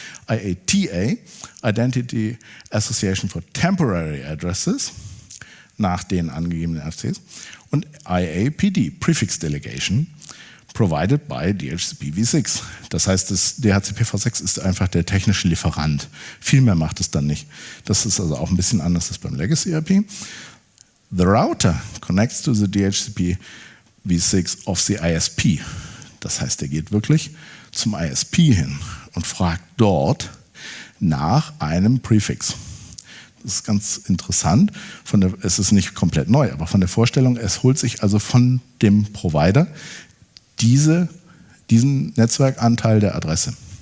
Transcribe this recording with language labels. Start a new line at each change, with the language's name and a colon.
German: IATA, Identity Association for Temporary Addresses, nach den angegebenen RFCs, und IAPD, Prefix Delegation,
English: provided by DHCP V6.
German: Das heißt, das DHCP V6 ist einfach der technische Lieferant. Viel mehr macht es dann nicht. Das ist also auch ein bisschen anders als beim Legacy IP.
English: The router connects to the DHCP V6 of the ISP.
German: Das heißt, er geht wirklich zum ISP hin und fragt dort nach einem Prefix. Das ist ganz interessant. Es ist nicht komplett neu, aber von der Vorstellung, es holt sich also von dem Provider diesen Netzwerkanteil der Adresse.